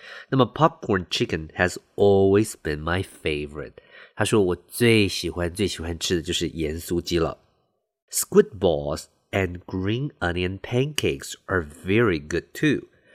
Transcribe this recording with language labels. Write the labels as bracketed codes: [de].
[en] 那么 popcorn chicken has always been my favorite， [zh] 他说我最喜欢最喜欢吃的就是盐酥鸡了。 [en] Squid balls and green onion pancakes are very good too.